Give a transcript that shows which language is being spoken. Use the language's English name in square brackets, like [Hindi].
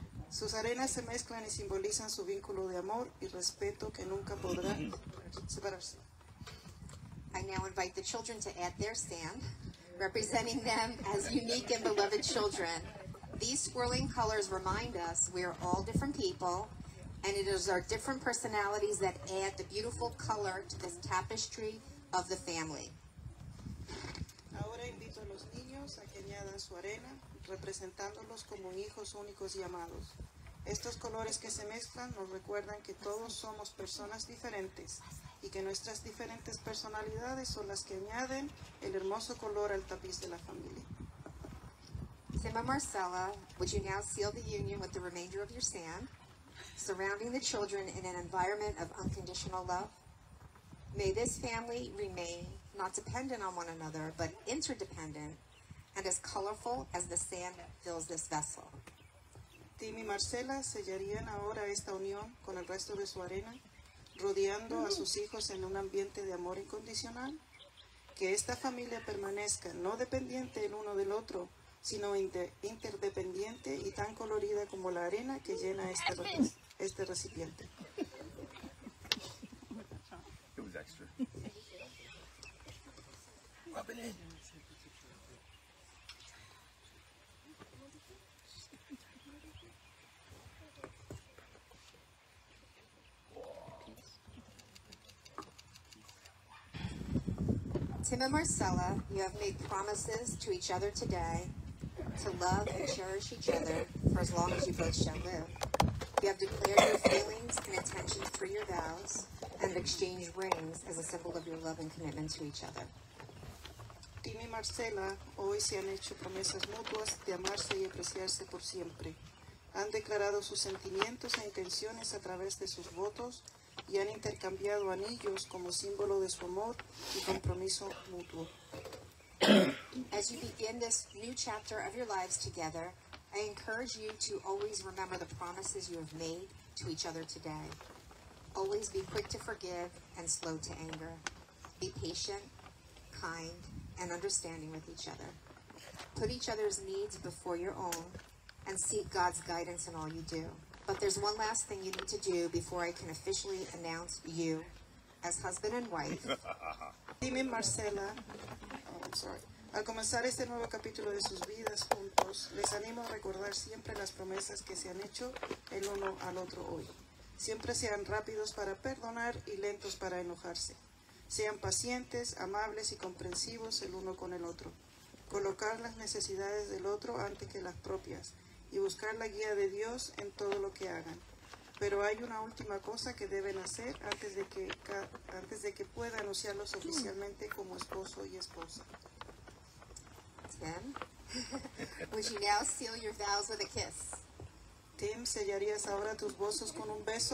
[Spanish] Sus arenas se mezclan y simbolizan su vínculo de amor y respeto que nunca podrán separarse. [English] I now invite the children to add their sand, representing them as unique and beloved children. These swirling colors remind us we are all different people, and it is our different personalities that add the beautiful color to this tapestry of the family. [Spanish] Ahora invito a los niños a que añadan su arena, representándolos como hijos únicos y amados. Estos colores que se mezclan nos recuerdan que todos somos personas diferentes y que nuestras diferentes personalidades son las que añaden el hermoso color al tapiz de la familia. [English] Tim and Marcela, would you now seal the union with the remainder of your sand, surrounding the children in an environment of unconditional love? May this family remain not dependent on one another, but interdependent and as colorful as the sand that fills this vessel. [Spanish] Tim y Marcela sellarían ahora esta unión con el resto de su arena, rodeando a sus hijos en un ambiente de amor incondicional. Que esta familia permanezca no dependiente el uno del otro, sino interdependiente y tan colorida como la arena que llena este recipiente. [English] It was extra. Rubbing in. Tim and Marcela, you have made promises to each other today to love and cherish each other for as long as you both shall live. You have declared your feelings and intentions through your vows and exchanged rings as a symbol of your love and commitment to each other. [Spanish] Tim y Marcela, hoy se han hecho promesas mutuas de amarse y apreciarse por siempre. Han declarado sus sentimientos e intenciones a través de sus votos y han intercambiado anillos como símbolo de su amor y compromiso mutuo. [English] As you begin this new chapter of your lives together, I encourage you to always remember the promises you have made to each other today. Always be quick to forgive and slow to anger. Be patient, kind, and understanding with each other. Put each other's needs before your own and seek God's guidance in all you do. But there's one last thing you need to do before I can officially announce you as husband and wife. [Spanish] Tim y Marcela, al comenzar este nuevo capítulo de sus vidas juntos, les animo a recordar siempre las promesas que se han hecho el uno al otro hoy. Siempre sean rápidos para perdonar y lentos para enojarse. Sean pacientes, amables y comprensivos el uno con el otro. Colocar las necesidades del otro antes que las propias y buscar la guía de Dios en todo lo que hagan. Pero hay una última cosa que deben hacer antes de que pueda anunciarlos oficialmente como esposo y esposa. [English] Tim, would you now seal your vows with a kiss? [Spanish] Tim, ¿sellarías ahora tus votos con un beso?